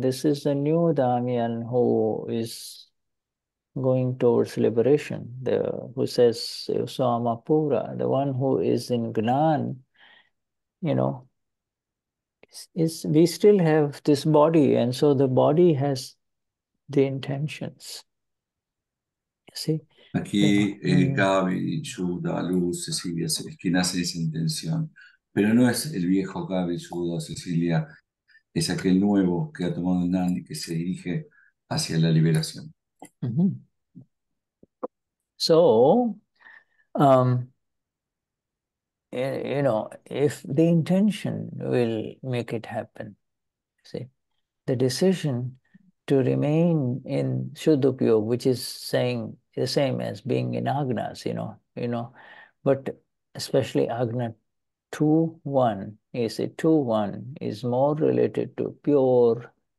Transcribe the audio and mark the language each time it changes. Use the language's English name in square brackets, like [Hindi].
[English] This is the new Damian who is going towards liberation, who says Swamapura, the one who is in Gnan, you know, is we still have this body, and so the body has the intentions. See? [Spanish] Aquí Gabi, Shuddha, Luz, Cecilia, es quien hace esa intención. Pero no es el viejo Gabi, Shuddha, Cecilia, es aquel nuevo que ha tomado Gnan y que se dirige hacia la liberación. [English] So, you know, if the intention will make it happen, see, the decision to remain in Shuddha Upyog, which is saying the same as being in Agnas, you know, but especially Agna 2-1, you see, 2-1 is more related to pure